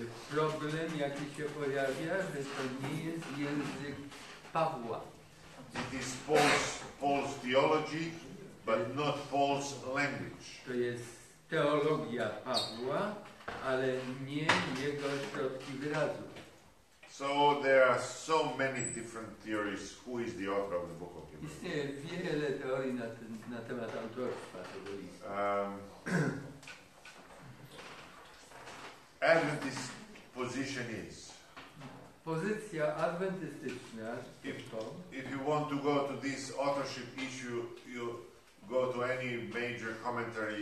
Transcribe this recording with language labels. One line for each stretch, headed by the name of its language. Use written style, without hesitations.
Polish: Problem, jaki się pojawia, że to nie jest język Pawła.
English: It is false theology, but not false language.
Polish: To jest teologia Pawła, ale nie jego środki wyrazu.
English: So there are so many different theories who is the author of the book of Hebrews.
Polish: Istnieje wiele teorii na temat autorstwa tego listu.
English: Adventist position is.
Polish: Pozycja adwentystyczna.
English: If you want to go to this authorship issue, you go to any major commentary.